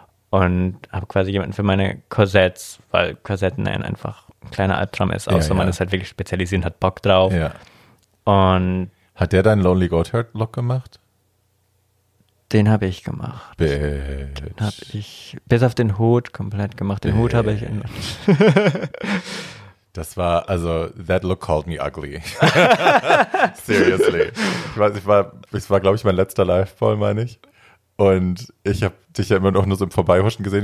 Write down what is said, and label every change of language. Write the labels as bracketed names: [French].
[German] Und habe quasi jemanden für meine Korsetts, weil Korsetten einfach ein kleiner Albtraum ist, außer man ist halt wirklich spezialisiert, hat Bock drauf. Ja. Und hat der deinen Lonely Goatherd Look gemacht? Den habe ich gemacht. [English] Bitch. [German] Den habe ich bis auf den Hut komplett gemacht. Den Hut habe ich in. Das war, also, [English] that look called me ugly. Seriously. [German] Ich war, glaube ich, mein letzter Live-Ball, meine ich. Und ich habe dich ja immer noch nur so im Vorbeihuschen gesehen.